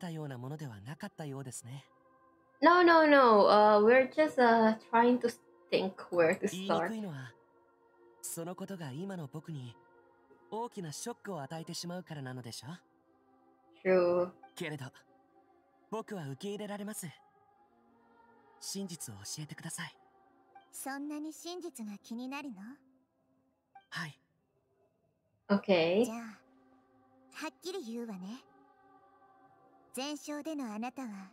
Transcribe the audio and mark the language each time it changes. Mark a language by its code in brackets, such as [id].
[ja] 何か言いたげなのに、それを言うのが忍びない。どうやら前哨の僕はとても褒められたようなものではなかったようですね。 [en] No, we're just trying to think where to start. [ja] そのことが今の僕に大きな。はい。オッケー。じゃあ、はっきり言うわね。前哨でのあなたは